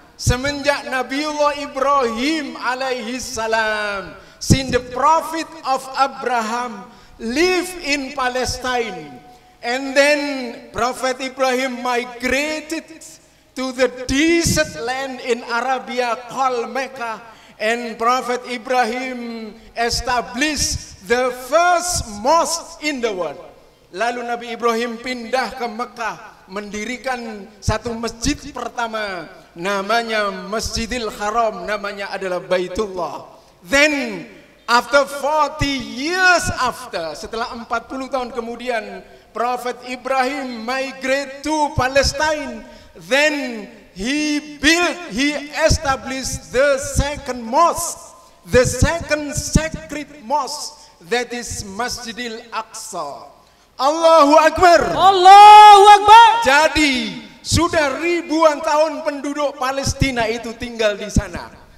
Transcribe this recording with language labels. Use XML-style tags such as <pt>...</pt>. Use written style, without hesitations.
<id>Semenjak Nabiullah Ibrahim alaihi salam,</id> <en>since the prophet of Abraham live in Palestine, and then prophet Ibrahim migrated to the desert land in Arabia called Mecca, and prophet Ibrahim established the first mosque in the world.</en> <id>Lalu Nabi Ibrahim pindah ke Mekah mendirikan satu masjid pertama, namanya Masjidil Haram, namanya adalah Baitullah.</id> <en>Then after 40 years after,</en> <id>setelah 40 tahun kemudian,</id> <en>Prophet Ibrahim migrate to Palestine. Then he built, he established the second mosque, the second sacred mosque, that is Masjidil Aqsa.</en> <ar>Allahu Akbar. Allahu Akbar.</ar> <id>Jadi sudah ribuan tahun penduduk Palestina itu tinggal di sana.</id>